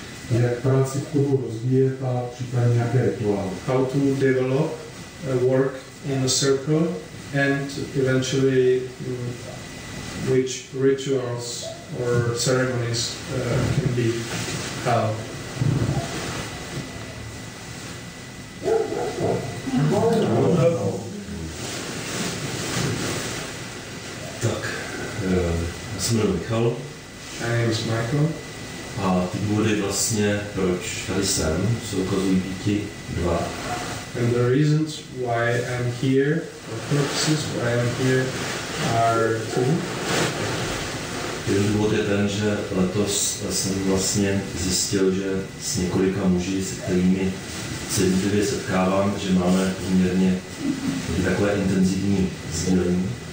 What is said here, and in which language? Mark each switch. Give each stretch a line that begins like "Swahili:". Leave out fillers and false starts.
Czech: Jak práci v kruhu rozvíjet a případně nějaké rituály.
English: How to develop a work in a circle and eventually which rituals or ceremonies can be held.
Czech: Tak, já jsem jmenuji Michal.
English: My name is Michael.
Czech: A ty důvody vlastně, proč tady jsem, se ukazují býti dva.
English: And the reasons why I'm here, or purposes why I'm here, are two.
Czech: Jeden důvod je ten, že letos jsem vlastně zjistil, že s několika muži, se kterými se jednotlivě setkávám, že máme poměrně takové intenzivní sdílení.